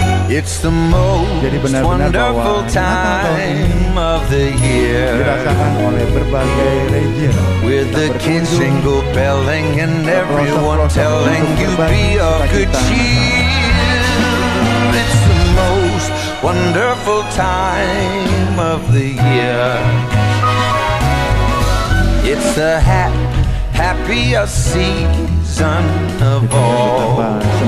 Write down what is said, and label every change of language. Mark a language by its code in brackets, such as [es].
[en] It's the most wonderful time of the year. [id] Dirasakan oleh berbagai region. [en] With the kids jingle belling and everyone telling you be of good cheer. It's the most wonderful time of the year. It's the happiest season of all.